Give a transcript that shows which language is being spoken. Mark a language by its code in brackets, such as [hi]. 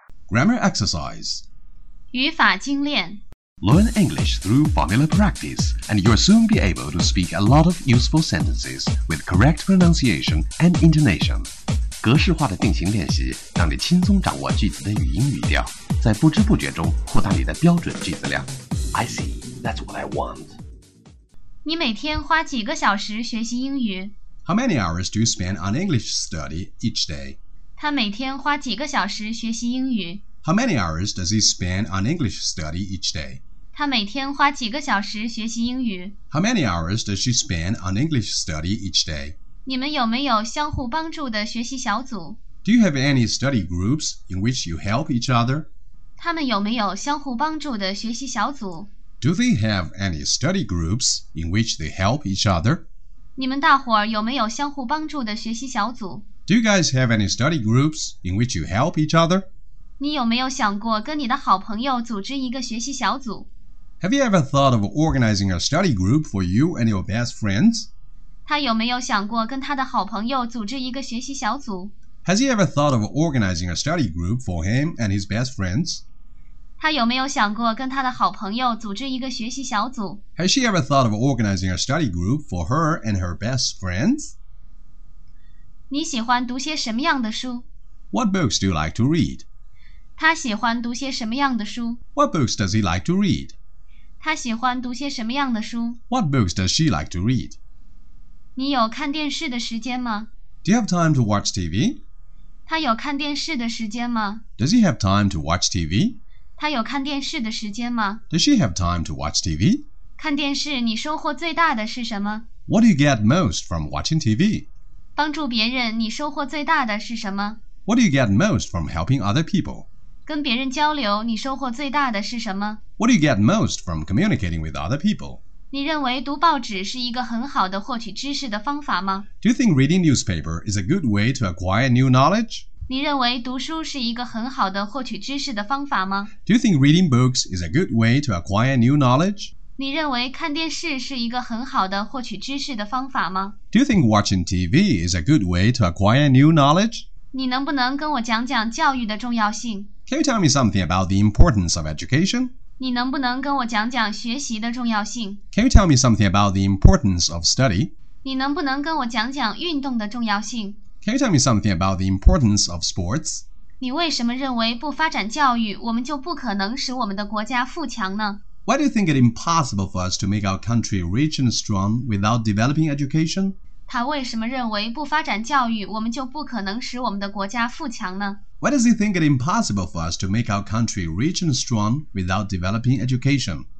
[en] Grammar exercise. [zh] 语法精炼 [en] Learn English through formula practice, and you'll soon be able to speak a lot of useful sentences with correct pronunciation and intonation. [zh] 格式化的定型练习让你轻松掌握句子的语音语调，在不知不觉中扩大你的标准句子量。 [en] I see, that's what I want. [zh] 你每天花几个小时学习英语？ [en] How many hours do you spend on English study each day? [zh] 他每天花几个小时学习英语 [en] How many hours does he spend on English study each day? [zh] 他每天花几个小时学习英语 [en] How many hours does she spend on English study each day? [zh] 你们有没有相互帮助的学习小组 [en] Do you have any study groups in which you help each other? [zh] 他们有没有相互帮助的学习小组 [en] Do they have any study groups in which they help each other? [zh] 你们大伙儿有没有相互帮助的学习小组 [en] Do you guys have any study groups in which you help each other? [zh] 你有没有想过跟你的好朋友组织一个学习小组? [en] Have you ever thought of organizing a study group for you and your best friends? [zh] 他有没有想过跟他的好朋友组织一个学习小组? [en] Has he ever thought of organizing a study group for him and his best friends? [zh] 他有没有想过跟他的好朋友组织一个学习小组? [en] Has she ever thought of organizing a study group for her and her best friends? [zh] 你喜欢读些什么样的书? [en] What books do you like to read? [zh] 他喜欢读些什么样的书? [en] What books does he like to read? [zh] 他喜欢读些什么样的书? [en] What books does she like to read? [zh] 你有看电视的时间吗? [en] Do you have time to watch TV? [zh] 他有看电视的时间吗? [en] Does he have time to watch TV? [zh] 她有看电视的时间吗？ [en] Does she have time to watch TV? [zh] 看电视你收获最大的是什么？ [en] What do you get most from watching TV? [zh] 帮助别人你收获最大的是什么？ [en] What do you get most from helping other people? [zh] 跟别人交流你收获最大的是什么？ [en] What do you get most from communicating with other people? [zh] 你认为读报纸是一个很好的获取知识的方法吗？ [en] Do you think reading newspaper is a good way to acquire new knowledge? [zh] 你认为读书是一个很好的获取知识的方法吗？ [en] Do you think reading books is a good way to acquire new knowledge? [zh] 你认为看电视是一个很好的获取知识的方法吗？ [en] Do you think watching TV is a good way to acquire new knowledge? [zh] 你能不能跟我讲讲教育的重要性？ [en] Can you tell me something about the importance of education? [zh] 你能不能跟我讲讲学习的重要性？ [en] Can you tell me something about the importance of study? [zh] 你能不能跟我讲讲运动的重要性？ [en] Can you tell me something about the importance of sports? [zh] 你为什么认为不发展教育，我们就不可能使我们的国家富强呢？ [en] Why do you think it impossible for us to make our country rich and strong without developing education? [zh] 他为什么认为不发展教育，我们就不可能使我们的国家富强呢？ [en] Why does he think it impossible for us to make our country rich and strong without developing education?